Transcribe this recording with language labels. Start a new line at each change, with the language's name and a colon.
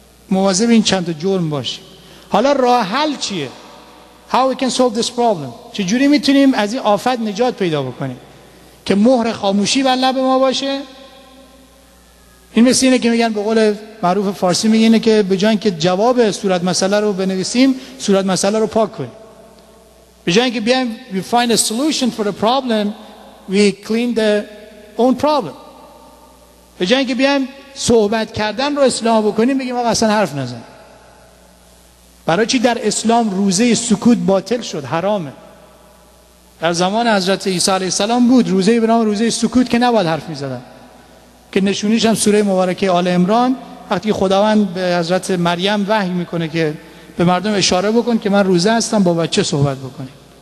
Persian: مواظب این چند تا جرم باشه. حالا راه حل چیه؟
English: How we can solve this problem؟
Persian: چجوری میتونیم از این آفت نجات پیدا بکنیم؟ که مهر خاموشی بر لب ما باشه. این مثل اینه که میگن، به قول معروف فارسی میگن، اینه که به جای اینکه جواب صورت مسئله رو بنویسیم، صورت مسئله رو پاک کنیم. به جای اینکه بیایم
English: we find a solution for the problem، we clean the own problem.
Persian: به جای اینکه بیایم صحبت کردن رو اصلاح بکنیم، میگیم آقا اصلا حرف نزن. برای چی در اسلام روزه سکوت باطل شد؟ حرامه. در زمان حضرت عیسی علیه السلام بود روزه به نام روزه سکوت که نباید حرف می‌زدن، که نشونیش هم سوره مبارکه آل عمران، وقتی خداوند به حضرت مریم وحی میکنه که به مردم اشاره بکن که من روزه هستم با بچه صحبت بکنیم.